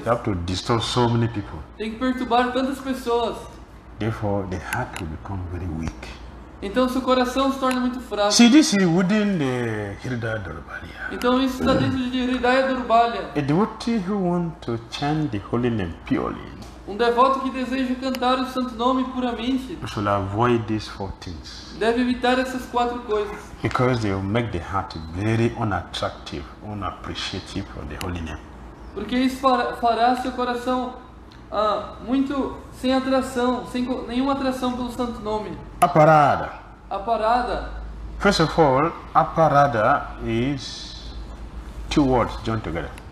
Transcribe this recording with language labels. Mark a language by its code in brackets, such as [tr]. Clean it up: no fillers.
[en] You have to disturb so many people. [pt] Tem que perturbar tantas pessoas. [en] Therefore, the heart will become very weak. [pt] Então, seu coração se torna muito fraco. [en] See, this is within the Hridayadurbalya. [pt] Então, isso está dentro de Hridayadurbalya. [en] A devotee who wants to chant the holy name purely. [pt] Um devoto que deseja cantar o santo nome puramente. [en] You should avoid these four things. [pt] Deve evitar essas quatro coisas. [en] Because they will make the heart very unattractive, unappreciative for the holy name. [pt] Porque isso fará seu coração muito sem atração, sem nenhuma atração pelo santo nome. [en] A parada. [pt] A parada. [en] First of all, a parada is two words joined together.